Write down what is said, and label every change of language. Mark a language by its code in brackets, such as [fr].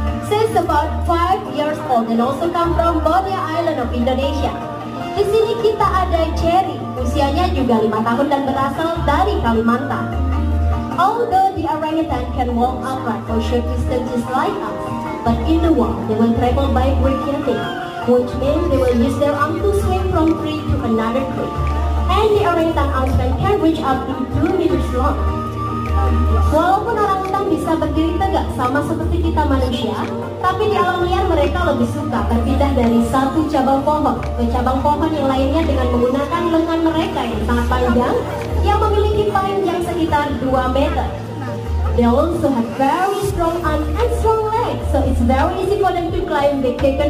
[en] She's about 5 years old and also come from Borneo Island of Indonesia. [id] Di sini kita ada Cherry, usianya juga 5 tahun dan berasal dari Kalimantan. [en] Although the orangutan can walk upright for short distances like us, but in the wild they will travel by breaking, which means they will use their arm to swing from tree to another tree. And the orangutan arm can reach up to 2 meters long. [id] Walaupun orangutan bisa berdiri tegak sama seperti kita manusia, tapi di alam liar mereka lebih suka berpindah dari satu cabang pohon ke cabang pohon yang lainnya dengan menggunakan lengan mereka yang sangat panjang, yang memiliki panjang sekitar 2 meter. [en] They also have very strong arms and strong legs, so it's very easy for them to climb the coconut.